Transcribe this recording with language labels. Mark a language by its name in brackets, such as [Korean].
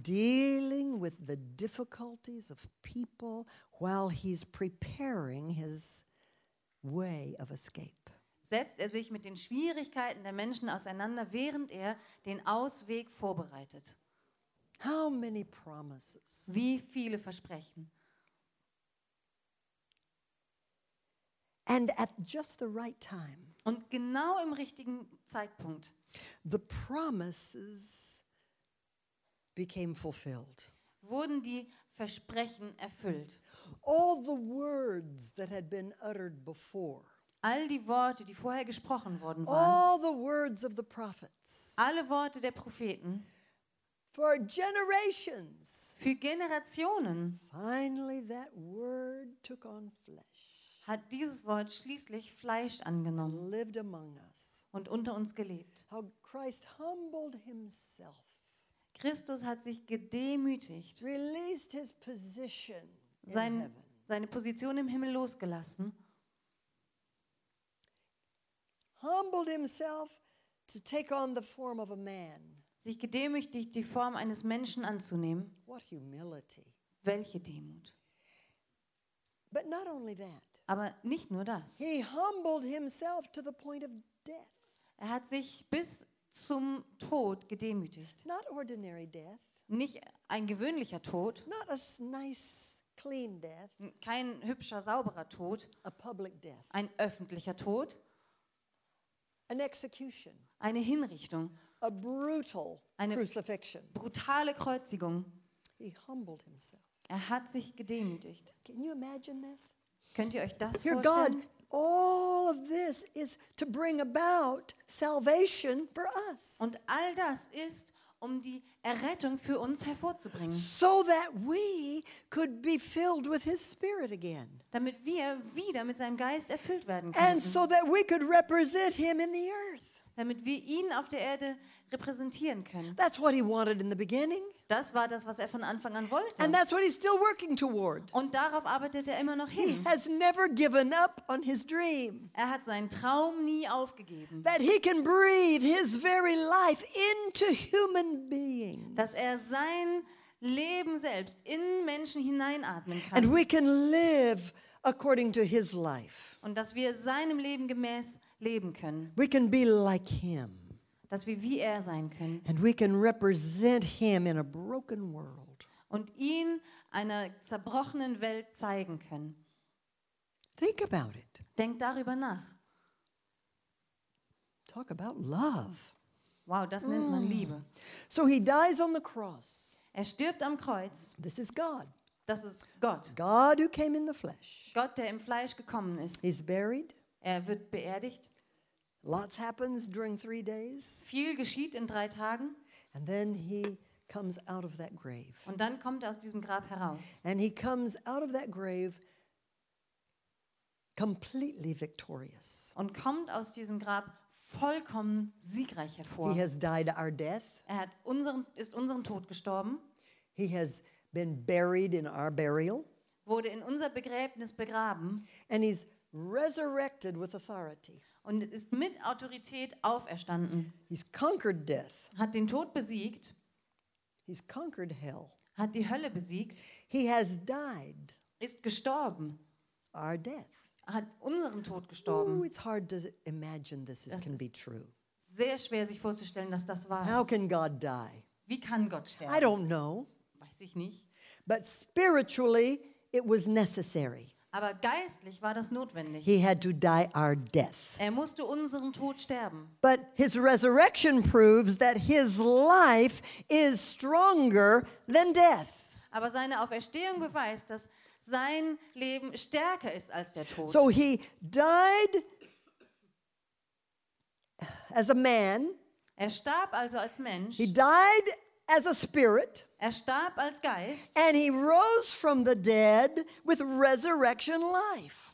[English] Dealing with the difficulties of people while he's preparing his way of escape. [German] Setzt er sich mit den Schwierigkeiten der Menschen auseinander, während er den Ausweg vorbereitet. [English] How many promises? [German] Wie viele Versprechen? [English] And at just the right time. [German] Und genau im richtigen Zeitpunkt. [English] The promises became fulfilled. [German] Wurden die Versprechen erfüllt? [English] All the words that had been uttered before. [German] All die Worte, die vorher gesprochen worden waren. [English] All the words of the prophets. [German] Alle Worte der Propheten. [English] For generations. [German] Für Generationen. [English] Finally that word took on flesh. [German] Hat dieses Wort schließlich Fleisch angenommen. [English] And lived among us. [German] Und unter uns gelebt. [English] How Christ humbled himself. [German] Christus hat sich gedemütigt. [English] Released his position in heaven. [German] Seine Position im Himmel losgelassen. [English] Humbled himself to take on the form of a man. [German] Sich gedemütigt, die Form eines Menschen anzunehmen. [English] What humility. [German] Welche Demut. [English] But not only that. [German] Aber nicht nur das. [English] He humbled himself to the point of death. [German] Er hat sich bis zum Tod gedemütigt. [English] Not ordinary death. [German] Nicht ein gewöhnlicher Tod. [English] Not a nice, clean death. [German] Kein hübscher, sauberer Tod. [English] A public death. [German] Ein öffentlicher Tod. [English] An execution. [German] Eine Hinrichtung. [English] A brutal [German] eine [English] crucifixion. [German] Brutale Kreuzigung. [English] He humbled himself. [German] Er hat sich gedemütigt. [English] Can you imagine this? [German] Könnt ihr euch das [English] Your [German] vorstellen? [English] God. All of this is to bring about salvation for us. [German] Und all das ist, um die Errettung für uns hervorzubringen. [English] So that we could be filled with his spirit again. [German] Damit wir wieder mit seinem Geist erfüllt werden können. [English] And so that we could represent him in the earth. [German] Damit wir ihn auf der Erde repräsentieren können. [English] That's what he wanted in the beginning. [German] Das war das, was er von Anfang an wollte. [English] And that's what he's still working toward. [German] Und darauf arbeitet er immer noch hin. [English] He has never given up on his dream. [German] Er hat seinen Traum nie aufgegeben. [English] That he can breathe his very life into human beings. [German] Dass er sein Leben selbst in Menschen hineinatmen kann. [English] And we can live according to his life. [German] Und dass wir seinem Leben gemäß leben können. [English] We can be like him. [German] Dass wir wie er sein können. [English] And we can represent him in a broken world. [German] Und ihn einer zerbrochenen Welt zeigen können. [English] Think about it. [German] Denk darüber nach. [English] Talk about love. [German] Wow, das nennt man Liebe. [English] So he dies on the cross. [German] Er stirbt am Kreuz. [English] This is God. [German] Das ist Gott. [English] God who came in the flesh. [German] Gott, der im Fleisch gekommen ist. [English] He's buried. [German] Er wird beerdigt. [English] Lots happens during 3 days. [German] Viel geschieht in 3 Tagen. [English] And then he comes out of that grave. [German] Und dann kommt er aus diesem Grab heraus. [English] And he comes out of that grave completely victorious. [German] Und kommt aus diesem Grab vollkommen siegreich hervor. [English] He has died our death. [German] Er hat ist unseren Tod gestorben. [English] He has been buried in our burial. [German] Wurde in unser Begräbnis begraben. [English] And he's resurrected with authority. [German] Und ist mit Autorität auferstanden. [English] He's conquered death. [German] Hat den Tod besiegt. [English] He's conquered hell. [German] Hat die Hölle besiegt. [English] He has died. [German] Ist gestorben. [English] Our death. [German] Hat unseren Tod gestorben. [English] Ooh, it's hard to imagine this can be true. [German] Sehr schwer sich vorzustellen, dass das wahr ist. [English] How can God die? [German] Wie kann Gott sterben? [English] I don't know. [German] Weiß ich nicht. [English] But spiritually it was necessary. [German] Aber geistlich war das notwendig. [English] He had to die our death. [German] Er musste unseren Tod sterben. [English] But his resurrection proves that his life is stronger than death. [German] Aber seine Auferstehung beweist, dass sein Leben stärker ist als der Tod. [English] So he died as a man. [German] Er starb also als Mensch. [English] He died as a spirit. [German] Er starb als Geist. [English] And he rose from the dead with resurrection life.